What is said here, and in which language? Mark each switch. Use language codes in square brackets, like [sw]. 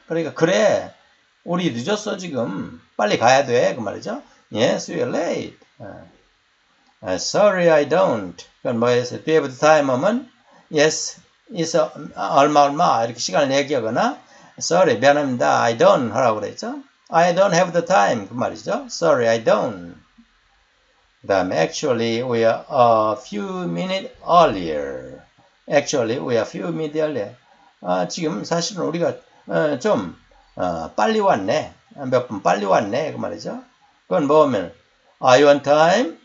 [ko] 그러니까 그래, 우리 늦었어 지금. 빨리 가야 돼, 그 말이죠. [en] Yes, we are late. Sorry, I don't. [ko] 그건 뭐였어요? [en] Do you have the time? [ko] 하면 Yes, is 얼마 이렇게 시간을 얘기하거나 Sorry, 미안합니다. [en] I don't [ko] 하라고 그랬죠. [en] I don't have the time. [ko] 그 말이죠. [en] Sorry, I don't. [ko] 그 다음에 [en] Actually, we are a few minutes earlier. Actually, we are a few minutes earlier. [ko] 지금 사실은 우리가 좀 빨리 왔네. 몇분 빨리 왔네. 그 말이죠. 그건 뭐냐면 [en] Are you on time?